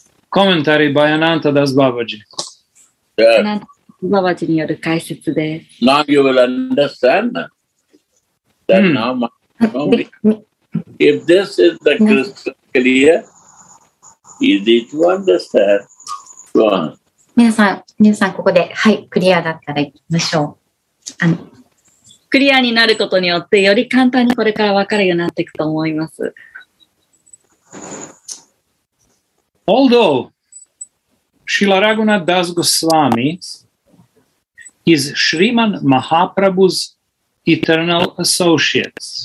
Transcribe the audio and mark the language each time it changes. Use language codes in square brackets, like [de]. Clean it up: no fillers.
[ja] コメンタリー、バヤナンタダスババジ。ババジによる解説です [en] 。 Now you will understand that now my... If this is the crystal clear,Easy to understand. Go on. [ja] 皆さんここではい、クリアだったら行きましょう。クリアになることによってより簡単にこれから分かるようになっていくと思います。 [en] Although Srila Raghunath Das Goswami is Sriman Mahaprabhu's eternal associate.